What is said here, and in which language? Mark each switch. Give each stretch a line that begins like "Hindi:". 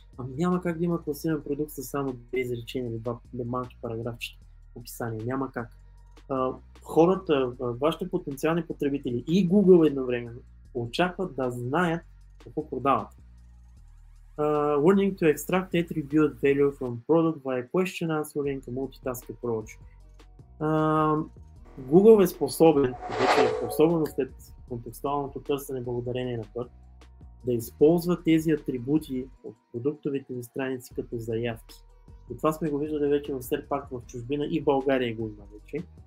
Bulgarian: Ами няма как да има класиран продукт с само две изречения или два малки параграфчета описание. Няма как. Хората, вашите потенциални потребители и Google едновременно очакват да знаят какво продават.
English: Learning to extract attribute value from product via question answering a multitask approach.
Bulgarian: Google е способен, вече е способно след контекстуалното търсене благодарение на PERT, да използва тези атрибути от продуктовите ни страници като заявки. И това сме го виждали вече в Сред Пак в чужбина и България го има вече.